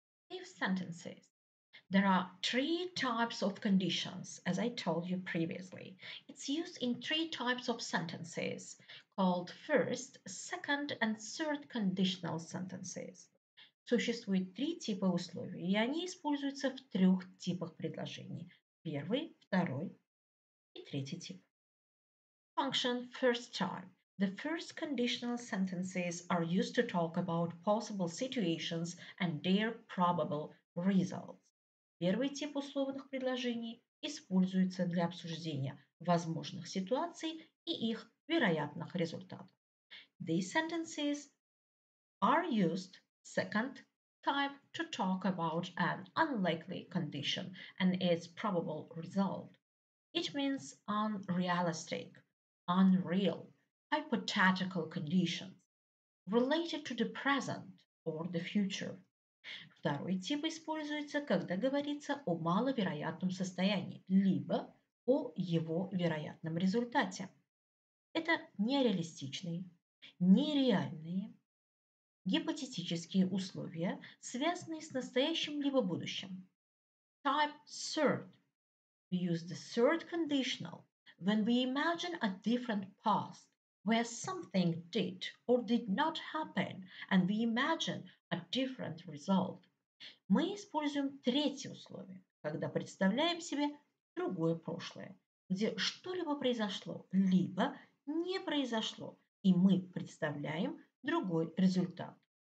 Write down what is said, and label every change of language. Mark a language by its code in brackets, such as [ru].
[en] If sentences. There are three types of conditions, as I told you previously. It's used in three types of sentences called first, second, and third conditional sentences. [ru] Существует три типа условий, и они используются в трех типах предложений. Первый, второй и третий тип. [en] Function first type. The first conditional sentences are used to talk about possible situations and their probable results. [ru] Первый тип условных предложений используется для обсуждения возможных ситуаций и их вероятных результатов. [en] These sentences are used, second type, to talk about an unlikely condition and its probable result. It means unrealistic, unreal, hypothetical conditions related to the present or the future. [ru] Второй тип используется, когда говорится о маловероятном состоянии, либо о его вероятном результате. Это нереалистичные, нереальные, гипотетические условия, связанные с настоящим либо будущим. [en] Type third. We use the third conditional when we imagine a different past, where something did or did not happen, and we imagine a different result. [ru] Мы используем третье условие, когда представляем себе другое прошлое, где что-либо произошло, либо не произошло, и мы представляем другой результат.